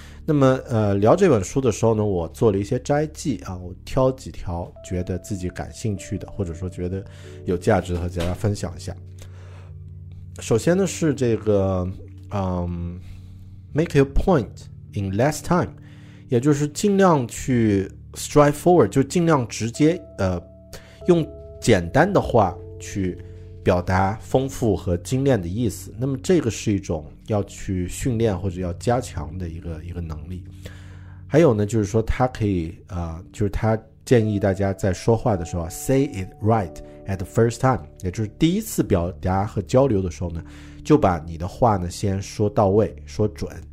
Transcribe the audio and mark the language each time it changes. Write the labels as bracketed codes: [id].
[zh] 那么聊这本书的时候呢，我做了一些摘记啊，我挑几条觉得自己感兴趣的或者说觉得有价值的和大家分享一下。首先呢是这个 [en] make your point in less time。 [zh] 也就是尽量去 [en] strive forward, [zh] 就尽量直接用简单的话去表达丰富和精炼的意思。那么这个是一种要去训练或者要加强的一个能力。还有呢就是说他可以就是他建议大家在说话的时候 [en] say it right at the first time, [zh] 也就是第一次表达和交流的时候呢就把你的话呢先说到位说准。